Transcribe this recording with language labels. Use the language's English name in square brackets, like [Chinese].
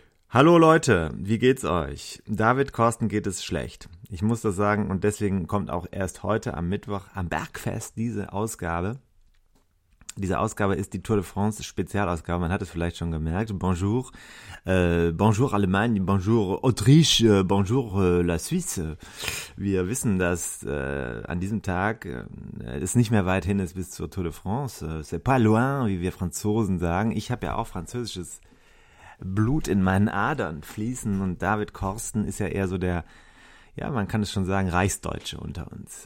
[German] Hallo Leute, wie geht's euch? David Korsten geht es schlecht. Ich muss das sagen, und deswegen kommt auch erst heute am Mittwoch am Bergfest diese Ausgabe. Diese Ausgabe ist die Tour de France Spezialausgabe, man hat es vielleicht schon gemerkt. [French] Bonjour, bonjour Allemagne, bonjour Autriche, bonjour la Suisse. [German] Wir wissen, dass an diesem Tag es nicht mehr weit hin ist bis zur Tour de France. [French] C'est pas loin, [German] wie wir Franzosen sagen. Ich habe ja auch französisches Blut in meinen Adern fließen, und David Korsten ist ja eher so der, ja, man kann es schon sagen, Reichsdeutsche unter uns.